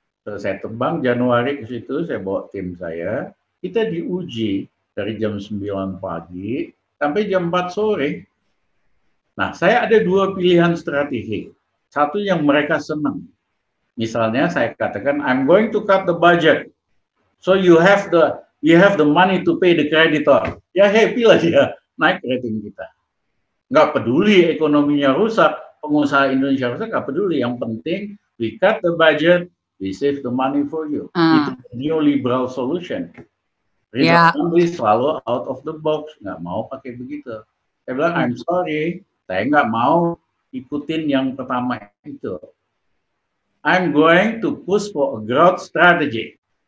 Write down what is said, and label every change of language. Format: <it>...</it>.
<id>Terus saya terbang Januari ke situ, saya bawa tim saya. Kita diuji dari jam 9 pagi sampai jam 4 sore. Nah, saya ada dua pilihan strategi. Satu yang mereka senang. Misalnya saya katakan,</id> <en>I'm going to cut the budget. So you have the money to pay the creditor.</en> <id>Ya happy lah dia, naik rating kita. Nggak peduli ekonominya rusak, pengusaha Indonesia rusak, nggak peduli. Yang penting,</id> <en>we cut the budget, we save the money for you.</en> <id>Itu neoliberal solution. Rizal selalu</id> <en>out of the box,</en> <id>nggak mau pakai begitu. Saya bilang,</id> <en>I'm sorry,</en> <id>saya nggak mau ikutin yang pertama itu.</id> <en>I'm going to push for a growth strategy.</en>